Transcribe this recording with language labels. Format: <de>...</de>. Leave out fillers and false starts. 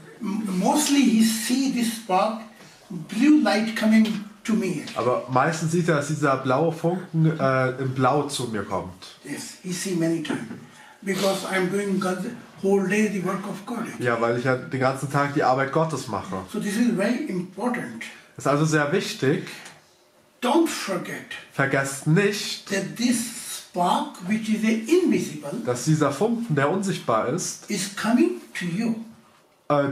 <en>Mostly he see this spark, blue light coming to me.</en> <de>Aber meistens sieht er, dass dieser blaue Funken im Blau zu mir kommt.</de> <en>Yes, he see many times. Because I'm doing God's whole day the work of God.</en> <de>Ja, weil ich ja den ganzen Tag die Arbeit Gottes mache.</de> <en>So this is very important.</en> <de>Ist also sehr wichtig.</de> <en>Don't forget.</en> <de>Vergesst nicht.</de> <en>That this spark, which is invisible,</en> <de>dass dieser Funken, der unsichtbar ist,</de> <en>is coming to you.</en>